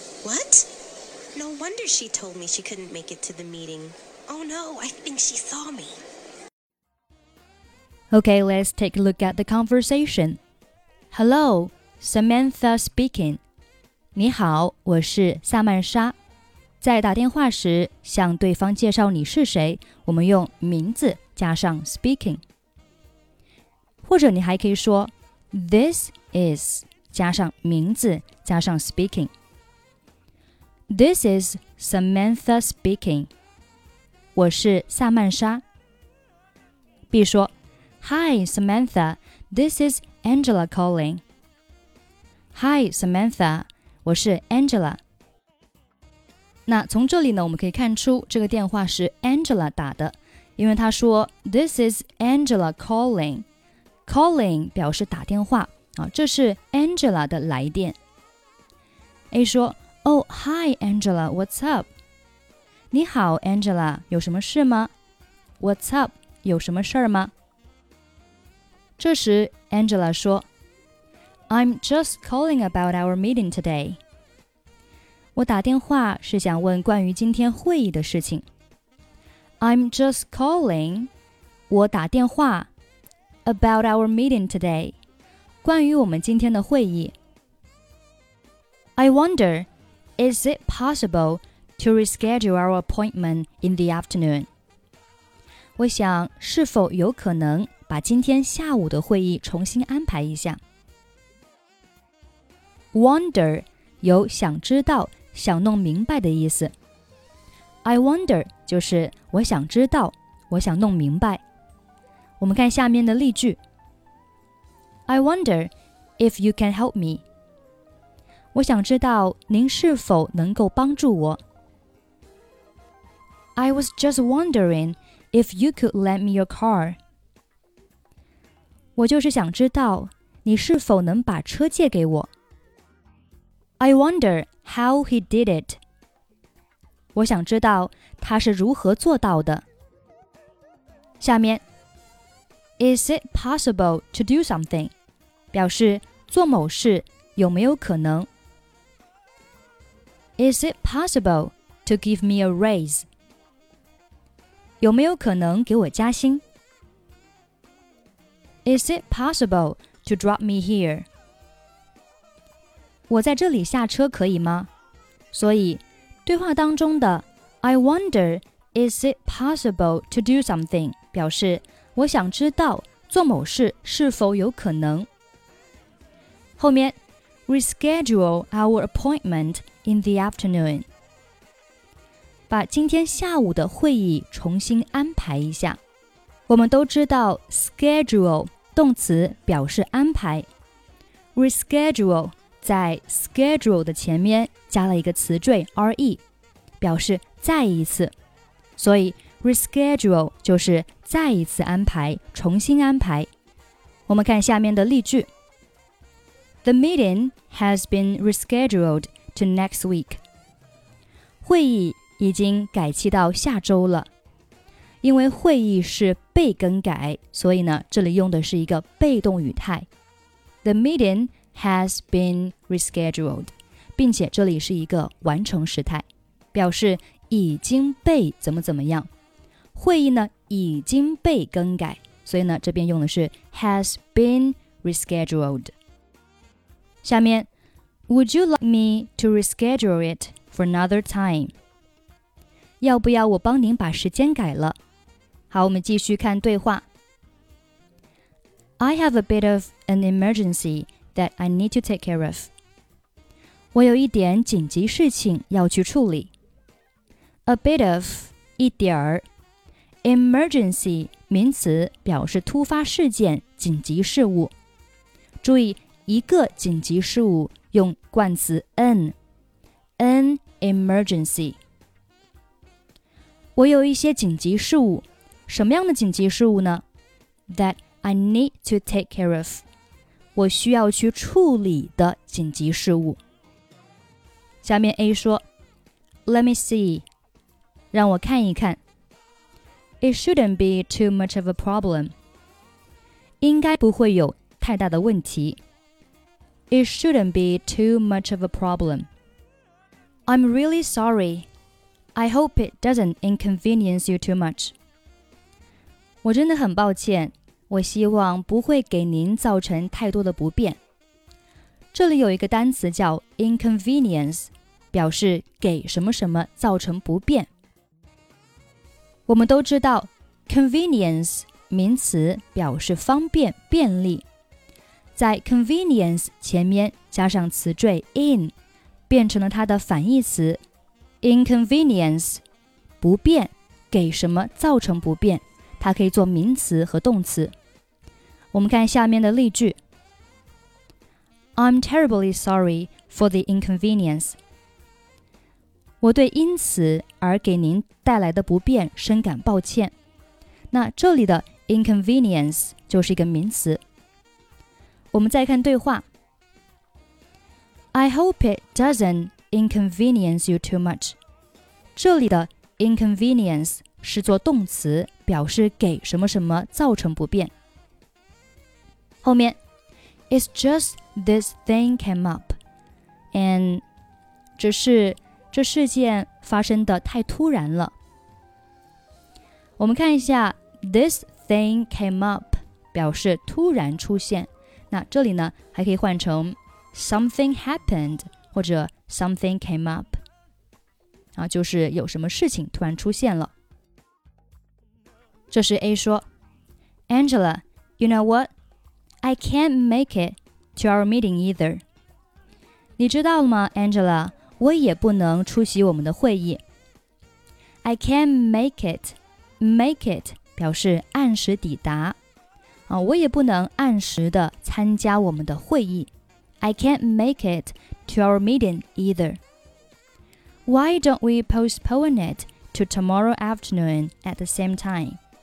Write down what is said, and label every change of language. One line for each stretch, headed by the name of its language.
English: What? No wonder she told me she couldn't make it to the meeting. Oh no, I think she saw me. Okay, let's take a look at the conversation. Hello, Samantha speaking.
Chinese: 你好，我是萨曼莎。在打电话时，向对方介绍你是谁，我们用名字加上
English: speaking.
Chinese: 或者你还可以说
English: This is
Chinese: 加上名字加上
English: speaking. This is Samantha speaking.
Chinese: 我是萨曼莎。比如说
English: Hi Samantha, this is Angela calling.
Chinese: Hi Samantha, 我是 Angela. 那从这里呢我们可以看出这个电话是 Angela 打的，因为她说
English: This is Angela calling.
Chinese: Calling 表示打电话、啊、这是 Angela 的来电。
English: A
Chinese: 说
English: Oh, hi Angela, what's up?
Chinese: 你好 Angela, 有什么事吗？
English: What's up?
Chinese: 有什么事吗？这时
English: Angela
Chinese: 说
English: I'm just calling about our meeting today.
Chinese: 我打电话是想问关于今天会议的事情。
English: I'm just calling,
Chinese: 我打电话
English: About our meeting today.
Chinese: 关于我们今天的会议。
English: I wonder, is it possible to reschedule our appointment in the afternoon?
Chinese: 我想是否有可能把今天下午的会议重新安排一下。 Wonder, 有想知道、想弄明白的意思。
English: I wonder,
Chinese: 就是我想知道、我想弄明白。我们看下面的例句。
English: I wonder if you can help me.
Chinese: 我想知道您是否能够帮助我。
English: I was just wondering if you could lend me your car.
Chinese: 我就是想知道你是否能把车借给我。
English: I wonder how he did it.
Chinese: 我想知道他是如何做到的。下面
English: Is it possible to do something?
Chinese: 表示做某事有没有可能。
English: Is it possible to give me a raise?
Chinese: 有没有可能给我加薪。
English: Is it possible to drop me here?
Chinese: 我在这里下车可以吗？所以对话当中的
English: I wonder is it possible to do something?
Chinese: 表示我想知道做某事是否有可能。后面
English: reschedule our appointment in the afternoon，
Chinese: 把今天下午的会议重新安排一下。我们都知道 schedule 动词表示安排， reschedule 在 schedule 的前面加了一个词缀 re， 表示再一次，所以Reschedule 就是再一次安排，重新安排。我们看下面的例句。
English: The meeting has been rescheduled to next week.
Chinese: 会议已经改期到下周了。因为会议是被更改，所以呢，这里用的是一个被动语态。
English: The meeting has been rescheduled，
Chinese: 并且这里是一个完成时态，表示已经被怎么怎么样。会议呢已经被更改，所以呢这边用的是
English: has been rescheduled。
Chinese: 下面
English: Would you like me to reschedule it for another time?
Chinese: 要不要我帮您把时间改了？好，我们继续看对话。
English: I have a bit of an emergency that I need to take care of.
Chinese: 我有一点紧急事情要去处理。
English: A bit of,
Chinese: 一点儿。 Emergency, 名词表示突发事件、紧急事物。注意，一个紧急事物用冠词
English: an, an emergency。
Chinese: 我有一些紧急事物，什么样的紧急事物呢？
English: That I need to take care of.
Chinese: 我需要去处理的紧急事物。下面 A 说
English: Let me see.
Chinese: 让我看一看。
English: It shouldn't be too much of a problem.
Chinese: 应该不会有太大的问题。
English: It shouldn't be too much of a problem. I'm really sorry. I hope it doesn't inconvenience you too much.
Chinese: 我真的很抱歉，我希望不会给您造成太多的不便。这里有一个单词叫 inconvenience， 表示给什么什么造成不便。我们都知道 convenience 名词表示方便、便利，在 convenience 前面加上词缀 in， 变成了它的反义词。 Inconvenience, 不便，给什么造成不便，它可以做名词和动词。我们看下面的例句。
English: I'm terribly sorry for the inconvenience.
Chinese: 我对因此而给您带来的不便深感抱歉。那这里的 inconvenience 就是一个名词。我们再看对话。
English: I hope it doesn't inconvenience you too much.
Chinese: 这里的 inconvenience 是做动词，表示给什么什么造成不便。后面
English: It's just this thing came up, and
Chinese: 只是这事件发生的太突然了。我们看一下
English: this thing came up
Chinese: 表示突然出现，那这里呢还可以换成
English: something happened
Chinese: 或者
English: something came up。
Chinese: 啊，就是有什么事情突然出现了。这是
English: A
Chinese: 说
English: Angela, you know what? I can't make it to our meeting either.
Chinese: 你知道了吗 Angela, 我也不能出席我们的会议。
English: I can't make it. Make it
Chinese: 表示按时抵达。啊，我也不能按时的参加我们的会议。
English: I can't make it to our meeting either. Why don't we postpone it to tomorrow afternoon at the same time?